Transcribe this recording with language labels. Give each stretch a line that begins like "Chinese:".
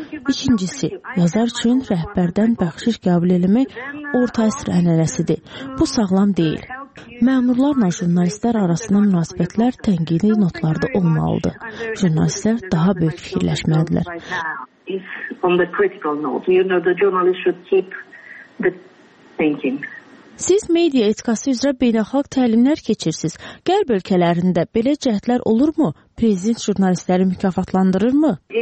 Azerbaijani: İkincisi, yazar üçün rəhbərdən bəxşiş qəbul eləmək orta əsr ənənəsidir. Bu sağlam deyil. Məmurlarla jurnalistlər arasında münasibətlər tənqidi notlarda olmalıdır. Jurnalistlər daha böyük fikirləşməlidirlər.
English: is on the critical note. You know, the journalist should keep the thinking.
Azerbaijani: Siz media etikası üzrə beynəlxalq təlimlər keçirsiniz. Qərb ölkələrində belə cəhdlər olurmu? Prezident jurnalistləri mükafatlandırırmı?